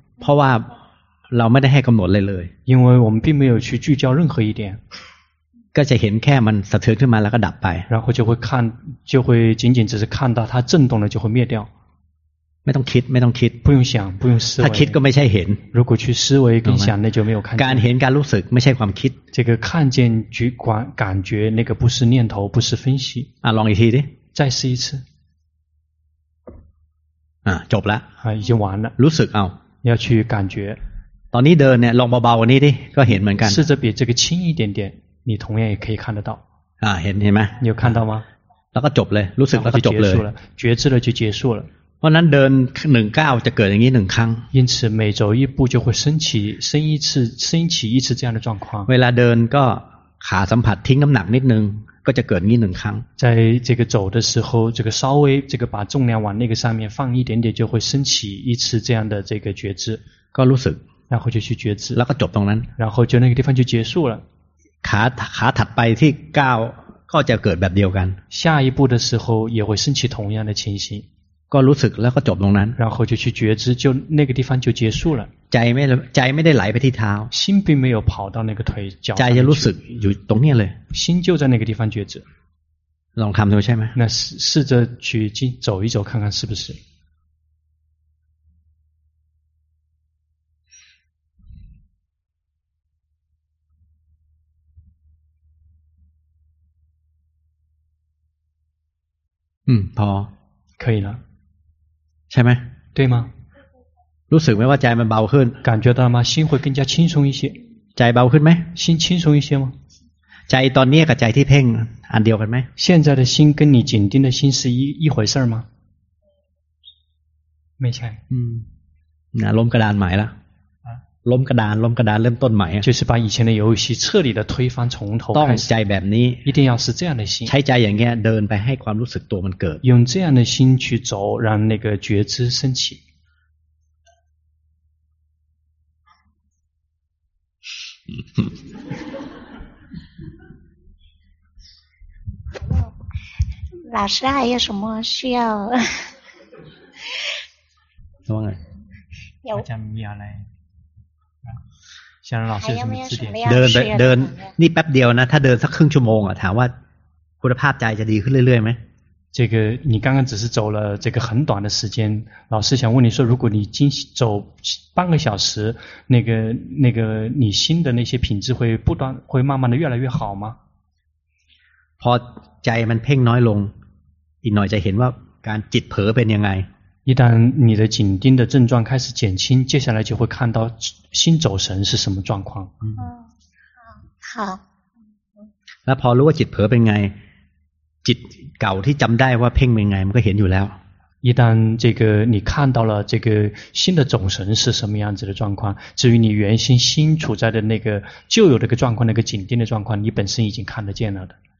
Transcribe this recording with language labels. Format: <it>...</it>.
<th>เพราะว่าเราไม่ได้ให้กำหนดเลยเลย</th> <zh>因为我们并没有去聚焦任何一点</zh> <th>ก็จะเห็นแค่มันสะเทือนขึ้นมาแล้วก็ดับไป</th> <zh>然后就会看就会仅仅只是看到它震动了就会灭掉</zh> <th>ไม่ต้องคิดไม่ต้องคิด</th> <zh>不用想不用思维</zh> <th>ถ้าคิดก็ไม่ใช่เห็น</th> <zh>如果去思维跟想那就没有看见</zh> <th>การเห็นการรู้สึกไม่ใช่ความคิด</th> <zh>这个看见觉观感觉那个不是念头不是分析</zh> <th>ลองอีกทีดิ</th> <zh>再试一次</zh> <th>จบแล้ว</th> <zh>已经完了</zh> <th>รู้สึกเอา</th> <zh>要去感觉</zh> <th>ตอนนี้เดินเนี่ยลองเบาๆกว่านี้ดิก็เห็นเหมือนกัน</th> <zh>试着比这个轻一点点你同样也可以看得到</zh> <th>เห็นไหม</th> <zh>有看到吗</zh> <th>แล้วก็จบเลยรู้สึกแล้วก็จบเลย</th> <zh>觉知了就结束了</zh> <th>เพราะนั้นเดิน1ก้าวจะเกิดอย่างนี้1ครั้ง</th> <zh>因此每走一步就会升起升一次升起一次这样的状况</zh> <th>เวลาเดินก็ขาสัมผัสทิ้งน้ำหนักนิดนึงก็จะเกิดอย่างนี้1ครั้ง</th> <zh>在这个走的时候这个稍微这个把重量往那个上面放一点点就会升起一次这样的这个觉知</zh> <th>ก็รู้สึก</th> <zh>然后就去觉知</zh> <th>แล้วก็จบตรงนั้น</th> <zh>然后就那个地方就结束了</zh> <th>ขาถัดไปที่ก้าวก็จะเกิดแบบเดียวกัน</th> <zh>下一步的时候也会升起同样的情形</zh> <th>ก็รู้สึกแล้วก็จบตรงนั้น</th> <zh>然后就去觉知就那个地方就结束了</zh> <th>ใจไม่ได้ไหลไปที่เท้า</th> <zh>心并没有跑到那个腿脚</zh> <th>ใจจะรู้สึกอยู่ตรงนี้เลย</th> <zh>心就在那个地方觉知</zh> <th>ลองทำดูใช่ไหม</th> <zh>那试着去走一走看看是不是</zh> <th>พอ</th> <zh>可以了</zh> <th>ใช่ไหม</th> <zh>对吗</zh> <th>รู้สึกไหมว่าใจมันเบาขึ้น</th> <zh>感觉到吗心会更加轻松一些</zh> <th>ใจเบาขึ้นไหม</th> <zh>心轻松一些吗</zh> <th>ใจตอนนี้กับใจที่เพ่งอันเดียวกันไหม</th> <zh>现在的心跟你紧盯的心是一回事吗</zh> <th>ไม่ใช่ นะล้มกระดานใหม่แล้วล้มกระดานล้มกระดานเริ่มต้นใหม่</th> <zh>就是把以前的游戏彻底的推翻从头</zh> <th>ต้องใจแบบนี้</th> <zh>一定要是这样的心</zh> <th>ใช้ใจอย่างเงี้ยเดินไปให้ความรู้สึกตัวมันเกิด</th> <zh>用这样的心去走让那个觉知升起老师还有什么需要什么呢有大家没有来想老师怎么指点</zh> <th>เดินเดินนี่แป๊บเดียวนะถ้าเดินสักครึ่งชั่วโมงอ่ะถามว่าคุณภาพใจจะดีขึ้นเรื่อยๆไหม</th> <zh>这个你刚刚只是走了这个很短的时间老师想问你说如果你经走半个小时那个你心的那些品质会不断会慢慢的越来越好吗</zh> <th>พอใจมันเพ่งน้อยลงอีกหน่อยจะเห็นว่าการจิตเผลอเป็นยังไง</th> <zh>一旦你的紧盯的症状开始减轻接下来就会看到心走神是什么状况好</zh> <th>แล้วพอรู้ว่าจิตเผลอเป็นไงจิตเก่าที่จําได้ว่าเพ่งเป็นไงมันก็เห็นอยู่แล้ว</th> <zh>一旦这个你看到了这个心的走神是什么样子的状况至于你原先心处在的那个旧有的个状况那个紧盯的状况你本身已经看得见了的</zh>